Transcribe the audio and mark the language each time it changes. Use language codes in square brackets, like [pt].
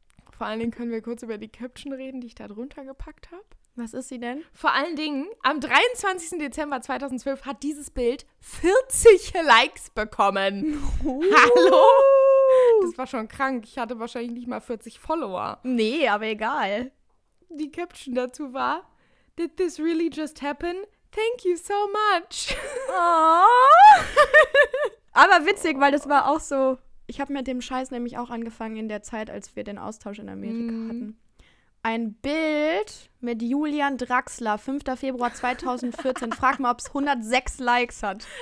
[de] Vor allen Dingen können wir kurz über die Caption reden, die ich da drunter gepackt habe. Was ist sie denn? Vor allen Dingen, am 23. Dezember 2012 hat dieses Bild 40 Likes bekommen. Hallo? Das war schon krank. Ich hatte wahrscheinlich nicht mal 40 Follower. Nee, aber egal. Die Caption dazu war, [en] did this really just happen? Thank you so much. [de] Aber witzig, weil das war auch so, ich habe mit dem Scheiß nämlich auch angefangen in der Zeit, als wir den Austausch in Amerika hatten. Ein Bild mit Julian Draxler, 5. Februar 2014. Frag mal, ob es 106 Likes hat.